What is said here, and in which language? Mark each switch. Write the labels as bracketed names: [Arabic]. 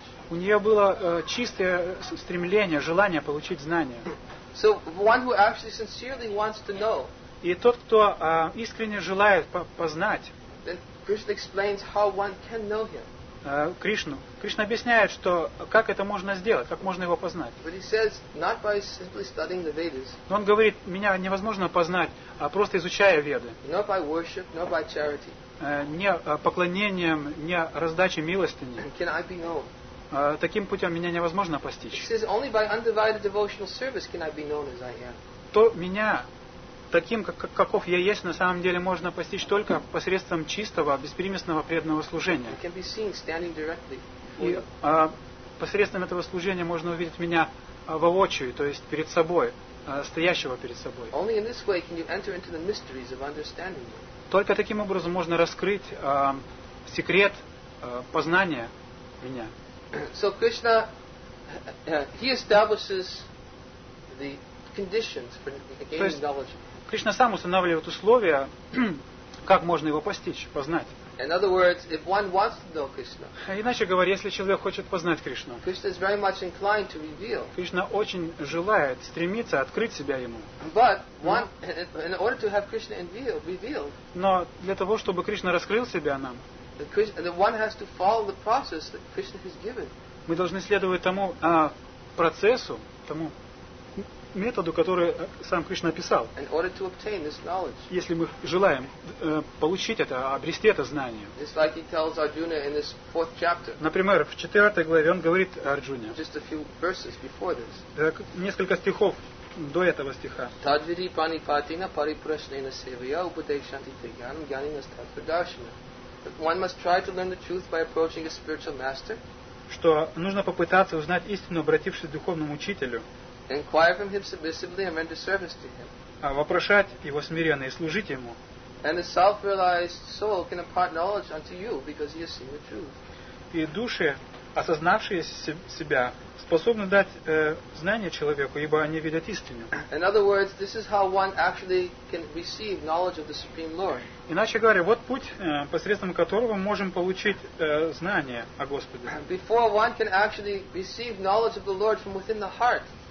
[Russian] У нее было чистое стремление, желание получить знания. [English] So, one who actually sincerely wants to know, [Russian] и тот, кто искренне желает познать, [English] then Krishna explains how one can know him. [Russian] Кришну. Кришна объясняет, что как это можно сделать, как можно его познать. [English] But he says, not by simply studying the Vedas. [Russian] Но он говорит, меня невозможно познать, а просто изучая Веды. [English] Not by worship, not by charity. [Russian] Не поклонением, не раздачей милостыни. [English] Can I be known? [Russian] Таким путем меня невозможно постичь. [English] He says, only by undivided devotional service can I be known as I am. [Russian] То меня таким, каков я есть, на самом деле можно постичь только посредством чистого, беспримесного преданного служения. [English] Can be seen standing directly. [Russian] И посредством этого служения можно увидеть меня воочию, то есть перед собой, стоящего перед собой. [English] Only in this way can you enter into the mysteries of understanding. [Russian] Только таким образом можно раскрыть секрет познания меня. [English] So Krishna, he establishes the conditions for gaining knowledge. [Russian] Кришна сам устанавливает условия, как можно его постичь, познать. [English] In other words, if one wants to know Krishna, [Russian] иначе говоря, если человек хочет познать Кришну, [English] Krishna is very much inclined to reveal. [Russian] Кришна очень желает, стремится открыть себя ему. [English] But one, in order to have Krishna revealed, [Russian] но для того, чтобы Кришна раскрыл себя нам, [English] one has to follow the process that Krishna has given. [Russian] Мы должны следовать тому процессу, тому методу, который сам Кришна описал. [English] In order to obtain this knowledge. [Russian] Если мы желаем получить это, обрести это знание. [English] It's like he tells Arjuna in this fourth chapter. [Russian] Например, в 4 главе он говорит Арджуне. [English] Just a few verses before this. [Russian] Несколько стихов до этого стиха. [Sanskrit] Тадвири пани патина парипрашнена севия упадешанти тиганам гьянинастатвардашина. [English] One must try to learn the truth by approaching a spiritual master. [Russian] Что нужно попытаться узнать истину, обратившись к духовному учителю. [English] Inquire from him submissively and render service to him. [Russian] А вопрошать его смиренно и служить ему. [English] And a self-realized soul can impart knowledge unto you because he has seen the truth. [Russian] И души, осознавшие себя, способны дать знание человеку, ибо они видят истину. [English] In other words, this is how one actually can receive knowledge of the Supreme Lord. [Russian] Иначе говоря, вот путь, посредством которого мы можем получить знание о Господе. [English] Before one can actually receive knowledge of the Lord from within the heart.